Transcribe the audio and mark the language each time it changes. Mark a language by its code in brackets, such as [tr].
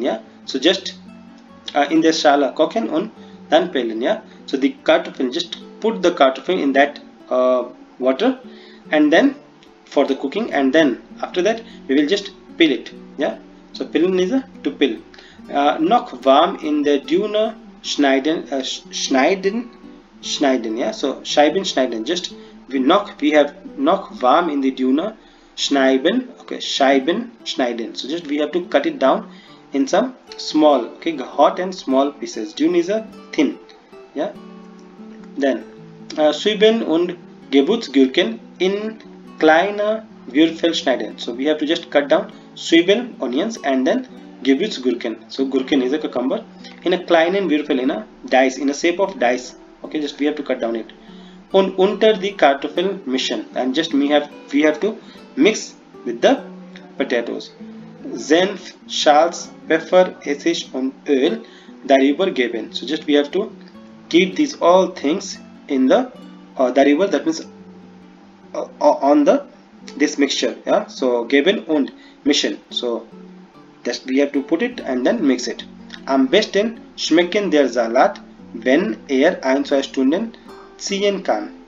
[de] Yeah, so just in der Schale kochen und dann pellen. [en] Yeah, so the Kartoffel, just put the Kartoffel in that water, and then for the cooking, and then after that we will just peel it. Yeah, so pellen is to peel. [de] Noch warm in der Dune schneiden, yeah, so Scheiben schneiden, just we noch warm in the Dune [en] schneiden, okay, [de] Scheiben schneiden. [en] So just we have to cut it down in some small, okay, hot and small pieces. [de] Dünn [en] is a thin, yeah. Then [de] Schweben und Gewürzgurken in kleine Würfel schneiden. [en] So we have to just cut down Schweben onions and then Gewürzgurken. So Gurken is a cucumber in a [de] kleine Würfel, [en] in a dice, in a shape of dice. Okay, just we have to cut down it. [de] Und unter die Kartoffel mischen, [en] and just we have to mix with the potatoes. [de] Senf, Salz, Pfeffer, Essig und Öl darüber geben. [en] So just we have to keep these all things in the darüber, that means on the this mixture. Yeah, so [de] geben und mischen. [en] So just we have to put it and then mix it. [de] Am besten schmecken der Salat, wenn ein, zwei Stunden ziehen kann.